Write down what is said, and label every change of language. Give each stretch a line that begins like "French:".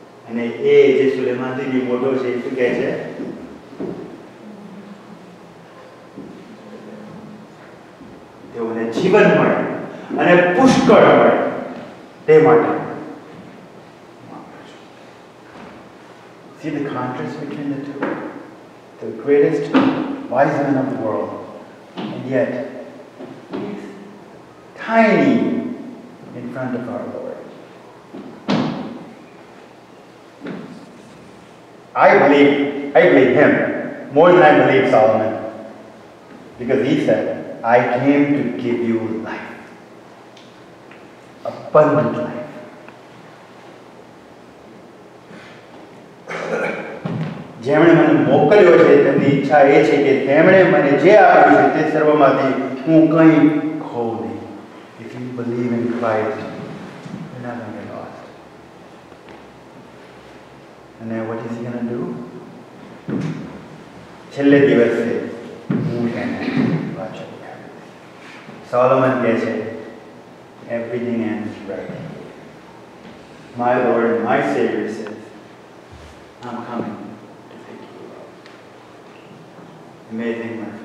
Gujarati: અને એ જે સુલેમાનજીની ફોટો છે એ શું કહે છે તેઓને જીવન મળે અને પુષ્કળ મળે તે માટે
English: See the contrast between the two. The greatest wise man of the world. And yet, he's tiny in front of our Lord. I believe him more than I believe Solomon. Because he said, I came to give you life. Abundant life.
Gujarati: જેમણે મને મોકલ્યો છે તેમની ઈચ્છા એ છે કે તેમણે મને જે આપ્યું છે તે સર્વમાંથી હું કંઈ ખોઉં નહીં.
English: If you believe in Christ, you're not going to get lost. And then what is he going to do?
Gujarati: છેલ્લે દિવસે હું એને વાંચું
English: Solomon કહે છે everything and right my lord my saviour says I am coming to take you amazing